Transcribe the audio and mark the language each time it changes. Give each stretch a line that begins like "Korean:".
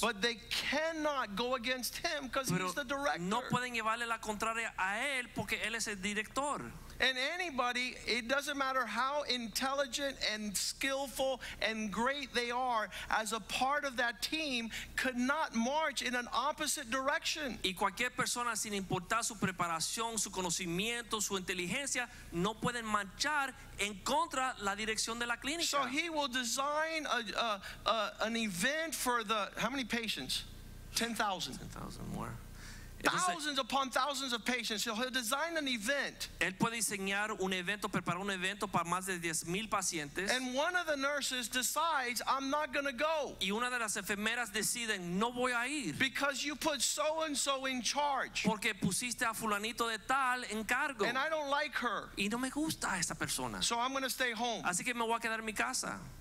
English: But they cannot go against him because he's the director.
Spanish: No pueden llevarle la contraria a él porque él es el director.
English: And anybody, it doesn't matter how intelligent and skillful and great they are, as a part of that team, could not march in an opposite direction.
Spanish: Y cualquier persona, sin importar su preparación, su conocimiento, su inteligencia, no pueden marchar en contra la dirección de la clínica.
English: So he will design an event for the, how many patients? 10,000. 10,000 more. Thousands upon thousands of patients. So he'll design an event.
Spanish: Él puede diseñar un evento, preparar un evento para más de 10,000 pacientes.
English: And one of the nurses decides, I'm not going to go.
Spanish: Y una de las enfermeras deciden, no voy a ir.
English: Because you put so and so in charge.
Spanish: Porque pusiste a fulanito de tal en cargo.
English: And I don't like her.
Spanish: Y no me gusta esa persona.
English: So I'm going to stay home.
Spanish: Así que me voy a quedar en mi casa.